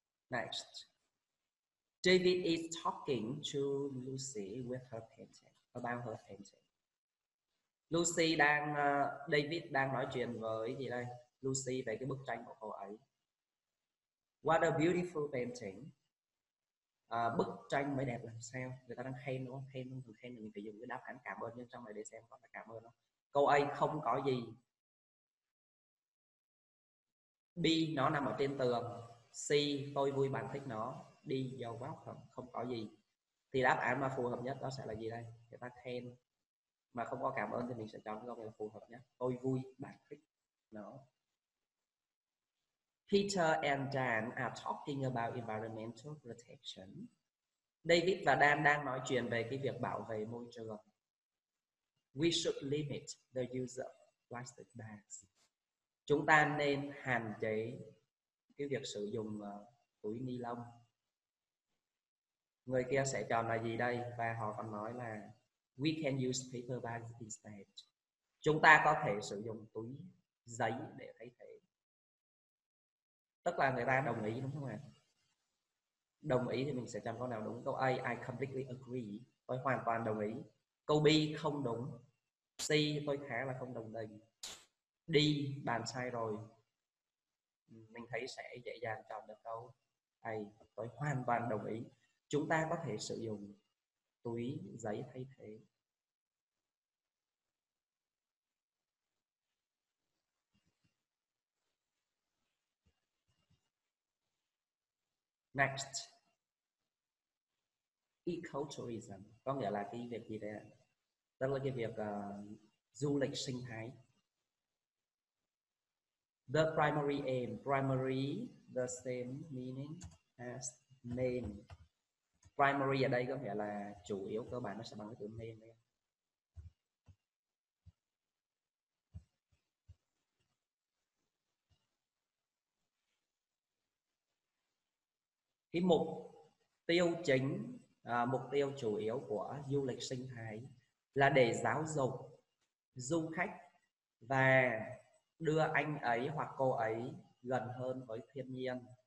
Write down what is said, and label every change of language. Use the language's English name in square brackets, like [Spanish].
[English] Next, David is talking to Lucy with her painting, about her painting. [Vietnamese] Lucy đang David đang nói chuyện với gì đây? Lucy về cái bức tranh của cô ấy. [English] What a beautiful painting. [Vietnamese] Bức tranh mới đẹp làm sao? Người ta đang khen đúng không? Khen thường khen mình phải dùng cái đáp án cảm ơn trong này để xem có phải cảm ơn không. Câu A không có gì. B nó nằm ở trên tường. C tôi vui bạn thích nó. D [English] you're welcome, [Vietnamese] không có gì. Thì đáp án mà phù hợp nhất đó sẽ là gì đây? Người ta khen mà không có cảm ơn thì mình sẽ chọn cái câu này là phù hợp nhất. Tôi vui bạn thích nó. [English] Peter and Dan are talking about environmental protection. [Vietnamese] David và Dan đang nói chuyện về cái việc bảo vệ môi trường. [English] We should limit the use of plastic bags. [Vietnamese] Chúng ta nên hạn chế cái việc sử dụng túi ni lông. Người kia sẽ chọn là gì đây? Và họ còn nói là [English] we can use paper bags instead. [Vietnamese] Chúng ta có thể sử dụng túi giấy để thay thế. Tức là người ta đồng ý đúng không ạ? Đồng ý thì mình sẽ chọn câu nào đúng. Câu A, [English] I completely agree. [Vietnamese] Tôi hoàn toàn đồng ý. Câu B không đúng. C tôi khá là không đồng tình. D bạn sai rồi. mình thấy sẽ dễ dàng chọn được câu ai. Tôi hoàn toàn đồng ý, chúng ta có thể sử dụng túi giấy thay thế. Next, ecotourism có nghĩa là cái việc gì đây? Tức là cái việc du lịch sinh thái. [English] The primary aim, primary the same meaning as main. [Vietnamese] Primary ở đây có nghĩa là chủ yếu, cơ bản nó sẽ bằng cái từ main đấy. Cái mục tiêu chính, mục tiêu chủ yếu của du lịch sinh thái là để giáo dục du khách và đưa anh ấy hoặc cô ấy gần hơn với thiên nhiên.